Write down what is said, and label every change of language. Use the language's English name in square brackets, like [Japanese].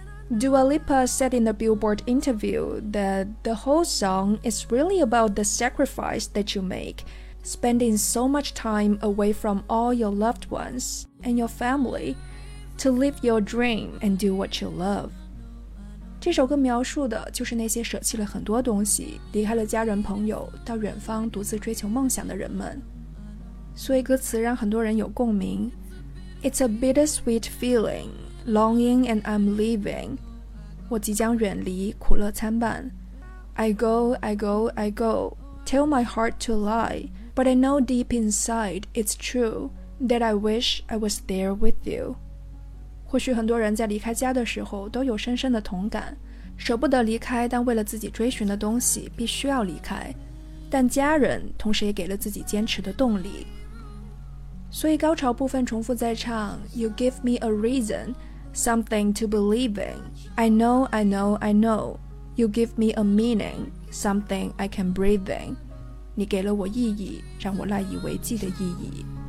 [English] Dua Lipa said in a Billboard interview that the whole song is really about the sacrifice that you make, spending so much time away from all your loved ones and your family to live your dream and do what you love. [Chinese] 这首歌描述的就是那些舍弃了很多东西，离开了家人朋友，到远方独自追求梦想的人们。所以歌词让很多人有共鸣。 [English] It's a bittersweet feeling, longing and I'm leaving. [Chinese] 我即将远离，苦乐参半。 [English] I go, I go, I go, tell my heart to lie, but I know deep inside it's true that I wish I was there with you. [Chinese] 或许很多人在离开家的时候都有深深的同感，舍不得离开，但为了自己追寻的东西必须要离开，但家人同时也给了自己坚持的动力。所以高潮部分重复再唱 [English] You give me a reason, something to believe in. I know, I know, I know. You give me a meaning, something I can breathe in. [Chinese] 你给了我意义，让我赖以为继的意义。